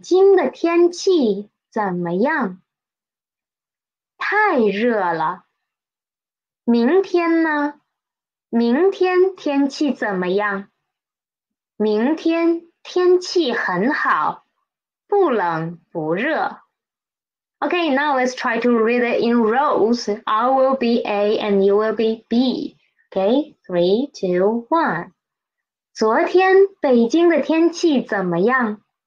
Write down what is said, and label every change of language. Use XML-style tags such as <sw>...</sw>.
<zh>昨天北京的天气怎么样?太热了. 明天呢?明天天气怎么样? 明天天气很好,不冷不热.</zh> <en>Okay, now let's try to read it in rows. I will be A and you will be B. Okay, 3, 2, 1.</en> <zh>昨天北京的天气怎么样?</zh>